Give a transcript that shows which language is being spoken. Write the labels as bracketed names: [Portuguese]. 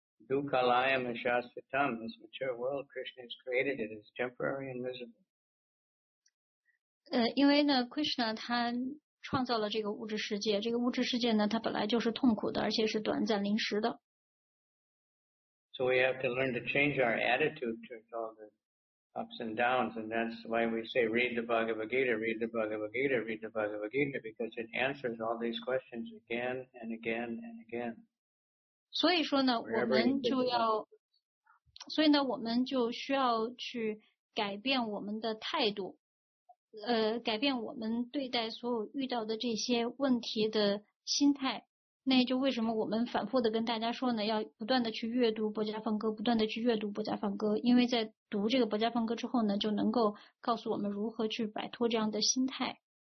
[Sanskrit] Dukkhalayam Shastitam, [English] this material world Krishna has created it is temporary and miserable. [Chinese] 因为呢 ，Krishna 他创造了这个物质世界，这个物质世界呢，它本来就是痛苦的，而且是短暂临时的。 [English] So we have to learn to change our attitude to all the. Ups and downs, and that's why we say, read the Bhagavad Gita, read the Bhagavad Gita, read the Bhagavad Gita, because it answers all these questions again and again and again. [Chinese] 所以说呢，我们就要，所以呢，我们就需要去改变我们的态度，改变我们对待所有遇到的这些问题的心态。那就为什么我们反复的跟大家说呢，要不断的去阅读薄伽梵歌，不断的去阅读薄伽梵歌，因为在读这个薄伽梵歌之后呢，就能够告诉我们如何去摆脱这样的心态。